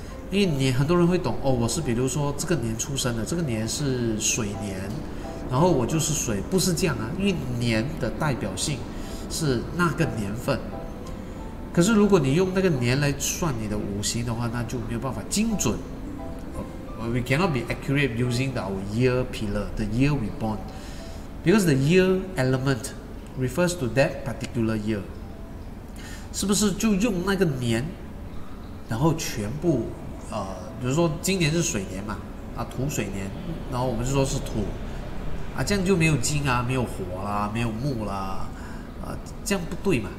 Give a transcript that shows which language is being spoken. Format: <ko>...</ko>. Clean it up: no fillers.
<zh>因为年很多人会懂，我是比如说这个年出生的，这个年是水年，然后我就是水，不是这样啊。因为年的代表性是那个年份，可是如果你用那个年来算你的五行的话，那就没有办法精准。</zh> <en>We cannot be accurate using our year pillar, the year we born, because the year element refers to that particular year。</en> <zh>是不是就用那个年，然后全部比如说今年是水年嘛，土水年，然后我们就说是土啊，这样就没有金啊，没有火啦，没有木啦，这样不对嘛。</zh>